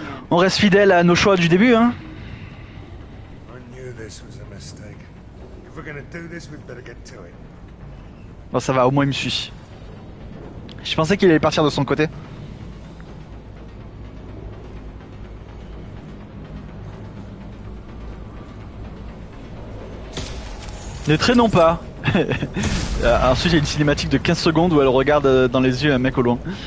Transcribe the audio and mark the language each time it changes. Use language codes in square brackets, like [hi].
[fr] On reste fidèle à nos choix du début, hein. [en] I knew this was a mistake. If we're gonna do this, we better get to it. [fr] Bon, ça va, au moins il me suit. Je pensais qu'il allait partir de son côté. Ne traînons pas. Ensuite, il y a une cinématique de 15 secondes où elle regarde dans les yeux un mec au loin.